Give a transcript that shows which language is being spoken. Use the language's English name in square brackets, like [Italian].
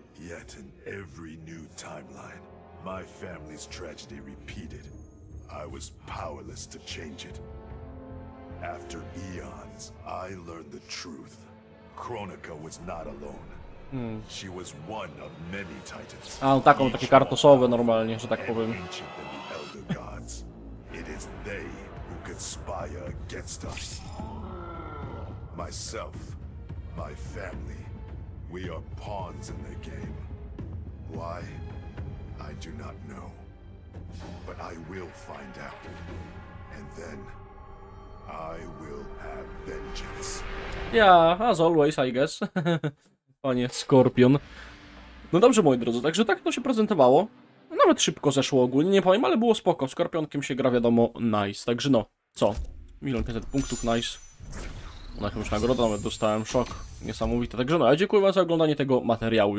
[English] Yet in every new timeline, my family's tragedy repeated. I was powerless to change it. After eons, I learned the truth. Kronika was not alone. She was one of many titans. [Polish] A on taką, takie kartosowe normalnie, że tak powiem. [English] Ancient than the elder gods. It is they who conspire against us. Myself, my family, we are pawns in their game. Why? I do not know. But I will find out, and then I will have vengeance. Yeah, as always, I guess. [Polish] Panie Skorpion. No dobrze, moi drodzy, także tak to się prezentowało. Nawet szybko zeszło ogólnie, nie powiem, ale było spoko. Skorpionkiem się gra, wiadomo, nice. Także no, co? 1500 punktów, nice. Na jakąś nagrodę nawet dostałem, szok. Niesamowite. Także no, ja dziękuję wam za oglądanie tego materiału.